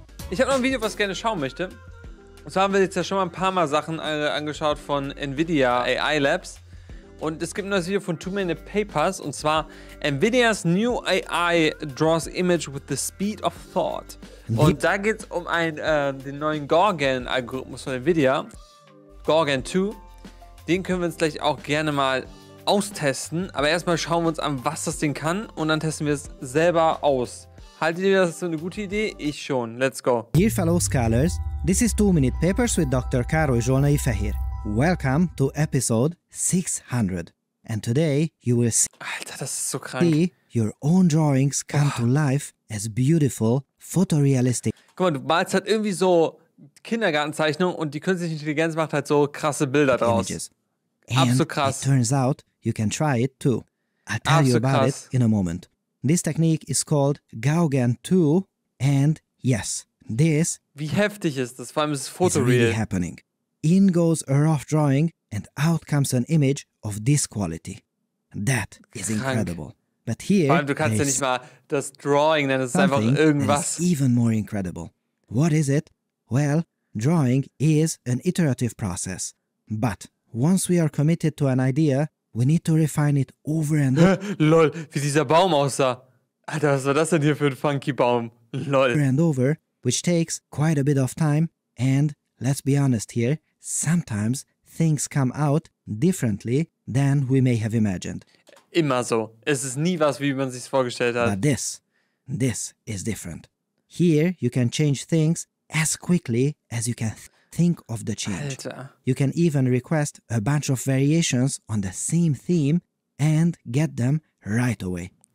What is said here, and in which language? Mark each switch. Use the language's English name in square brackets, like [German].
[German] Ich habe noch ein Video, was ich gerne schauen möchte. Und zwar haben wir jetzt ja schon mal ein paar Mal Sachen angeschaut von NVIDIA AI Labs. Und es gibt ein neues Video von Too Many Papers. Und zwar, [English] NVIDIA's new AI draws image with the speed of thought. [German] Und da geht's um den neuen Gorgon-Algorithmus von NVIDIA. Gorgon 2. Den können wir uns gleich auch gerne mal austesten, aber erstmal schauen wir uns an, was das Ding kann und dann testen wir es selber aus. Haltet ihr das für eine gute Idee? Ich schon. [English] Let's go. Dear fellow scholars, this is 2-Minute Papers with Dr. Károly Zsolnai Fehér. Welcome to episode 600. And today you will see, [German] Alter, das ist so krank, [English] see your own drawings come to life as beautiful, photorealistic. [German] Guck mal, du malst halt irgendwie so Kindergartenzeichnung und die künstliche Intelligenz macht halt so krasse Bilder draus. [English] Images. And [German] krass. [English] It turns out you can try it too. I'll tell you about [German] krass. [English] It in a moment. This technique is called Gauguin 2 and yes, this [German] wie heftig ist das? Vor allem ist es [English] photoreal. Is really happening. In goes a rough drawing and out comes an image of this quality. That is [German] krank. [English] Incredible. But here, [German] vor allem, du kannst ja nicht mal das Drawing nennen, das ist einfach irgendwas. [English] Is even more incredible. What is it? Well, drawing is an iterative process. But once we are committed to an idea, we need to refine it over and over. [German] Lol, wie dieser Baum aussah. Alter, was war das denn hier für ein funky Baum? Lol. [English] Over and over, which takes quite a bit of time. And let's be honest here, sometimes things come out differently than we may have imagined. [German] Immer so. Es ist nie was, wie man sich vorgestellt hat. [English] But this is different. Here you can change things as quickly as you can think of the change. [German] Alter. [English] You can even request a bunch of variations on the same theme and get them right away.